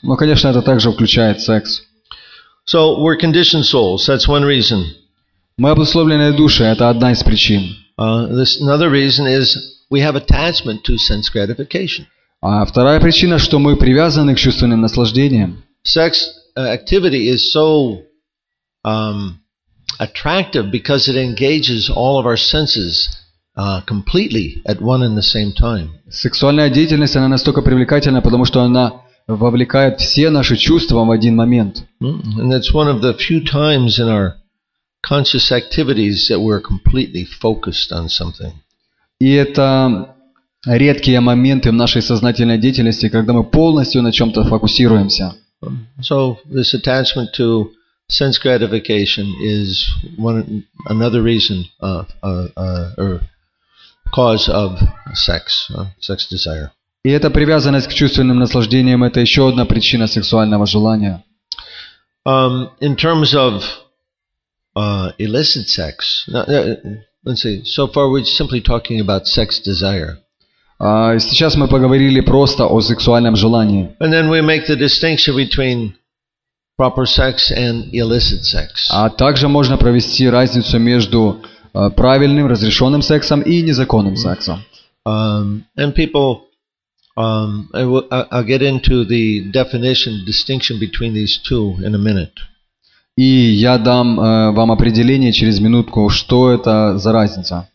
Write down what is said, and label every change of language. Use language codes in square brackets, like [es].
[ru] Но, конечно, это также включает секс. [en] So we're conditioned souls. That's one reason. [ru] Мы обусловленные души. Это одна из причин. [en] Another reason is we have attachment to sense gratification. [ru] А вторая причина, что мы привязаны к чувственным наслаждениям. [en] Sex activity is so attractive because it engages all of our senses completely at one and the same time. [ru] Сексуальная деятельность она настолько привлекательна, потому что она вовлекает все наши чувства в один момент. [en] And that's one of the few times in our conscious activities that we're completely focused on something. [ru] И это редкие моменты в нашей сознательной деятельности, когда мы полностью на чем-то фокусируемся. [en] So, this attachment to Sense gratification is one another reason or cause of sex, sex desire. [ru] И эта привязанность к чувственным наслаждениям — это еще одна причина сексуального желания. [en] In terms of illicit sex, let's see. So far, we're simply talking about sex desire. [ru] Сейчас мы поговорили просто о сексуальном желании. [en] And then we make the distinction between proper sex and illicit sex. [ru] А также можно провести разницу между правильным разрешенным сексом и незаконным сексом. [en] And people, I'll get into the definition, distinction between these two in a minute. [ru] И я дам вам определение через минутку, что это за разница.